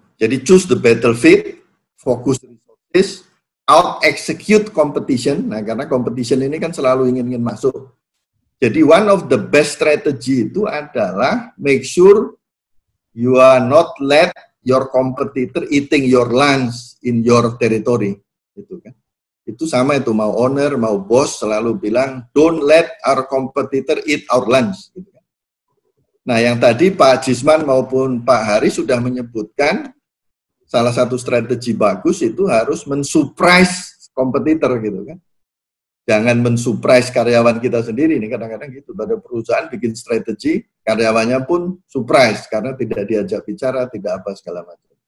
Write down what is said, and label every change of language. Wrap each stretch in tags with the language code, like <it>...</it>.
<id>Jadi</id> <en>choose the battlefield, focus resources, out execute competition.</en> <id>Nah, karena competition ini kan selalu ingin masuk. Jadi</id> <en>one of the best strategy</en> <id>itu adalah</id> <en>make sure you are not let your competitor eating your lunch in your territory.</en> <id>Itu kan. Itu sama itu, mau owner, mau bos selalu bilang,</id> <en>don't let our competitor eat our lunch.</en> <id>Gitu kan. Nah, yang tadi Pak Jisman maupun Pak Hari sudah menyebutkan, salah satu strategi bagus itu harus mensurprise competitor gitu kan. Jangan mensurprise karyawan kita sendiri, ini kadang-kadang gitu. Pada perusahaan bikin strategi, karyawannya pun surprise karena tidak diajak bicara, tidak apa segala macam.</id>